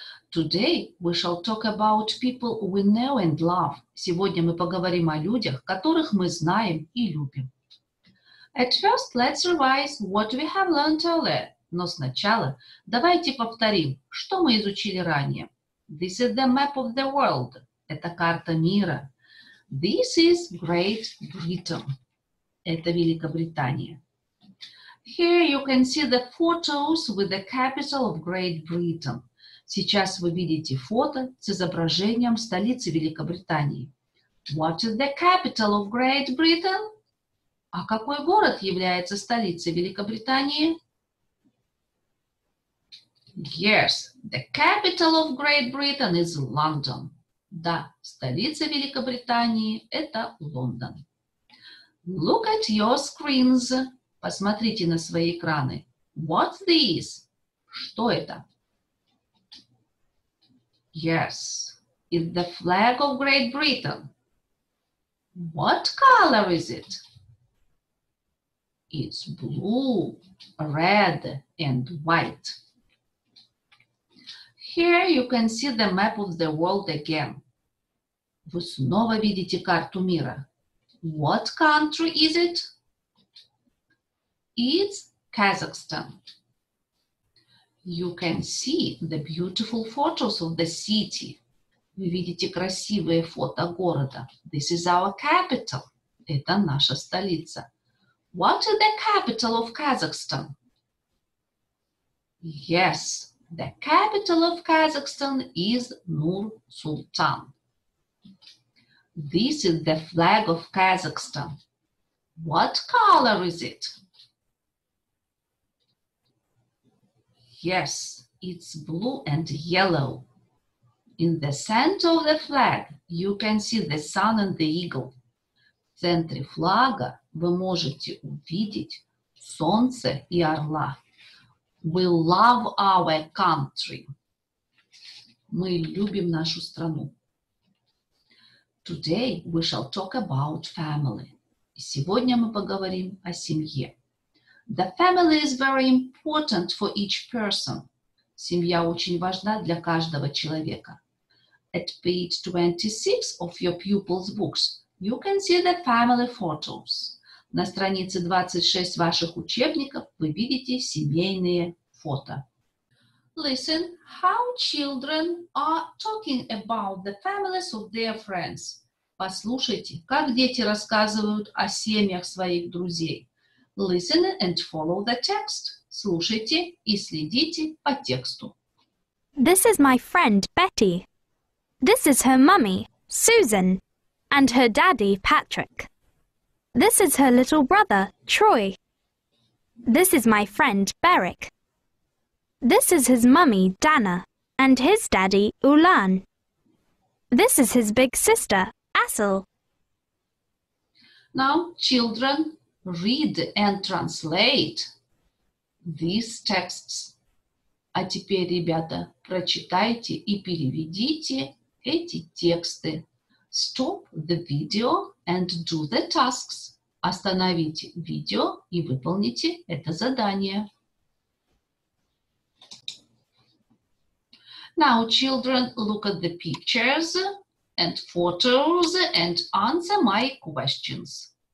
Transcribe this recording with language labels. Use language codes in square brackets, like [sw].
[en] Today we shall talk about people we know and love. [ru] Сегодня мы поговорим о людях, которых мы знаем и любим. [en] At first, let's revise what we have learned earlier. [ru] Но сначала давайте повторим, что мы изучили ранее. [en] This is the map of the world. [ru] Это карта мира. [en] This is Great Britain. [ru] Это Великобритания. [en] Here you can see the photos with the capital of Great Britain. [ru] Сейчас вы видите фото с изображением столицы Великобритании. [en] What is the capital of Great Britain? [ru] А какой город является столицей Великобритании? [en] Yes, the capital of Great Britain is London. [ru] Да, столица Великобритании – это Лондон. [en] Look at your screens. [ru] Посмотрите на свои экраны. [en] What's this? [ru] Что это? [en] Yes, it's the flag of Great Britain. What color is it? It's blue, red, and white. Here you can see the map of the world again. [ru] Вы снова видите карту мира. [en] What country is it? It's Kazakhstan. You can see the beautiful photos of the city. [ru] Вы видите красивые фото города. [en] This is our capital. [ru] Это наша столица. [en] What is the capital of Kazakhstan? Yes, the capital of Kazakhstan is Nur-Sultan. This is the flag of Kazakhstan. What color is it? Yes, it's blue and yellow. In the center of the flag, you can see the sun and the eagle. [ru] В центре флага вы можете увидеть солнце и орла. [en] We love our country. [ru] Мы любим нашу страну. [en] Today we shall talk about family. [ru] Сегодня мы поговорим о семье. [en] The family is very important for each person. [ru] Семья очень важна для каждого человека. [en] At page 26 of your pupil's books, you can see the family photos. [ru] На странице 26 ваших учебников вы видите семейные фото. [en] Listen how children are talking about the families of their friends. [ru] Послушайте, как дети рассказывают о семьях своих друзей. [en] Listen and follow the text. [ru] Слушайте и следите по тексту. [en] This is my friend Betty. This is her mummy, Susan. And her daddy, Patrick. This is her little brother, Troy. This is my friend, Beric. This is his mummy, Dana, and his daddy, Ulan. This is his big sister, Asil. Now, children, read and translate these texts. [ru] А теперь, ребята, прочитайте и переведите эти тексты. [en] Stop the video and do the tasks. [ru] Остановите видео и выполните это задание. [en] Now, children, look at the pictures and photos and answer my questions.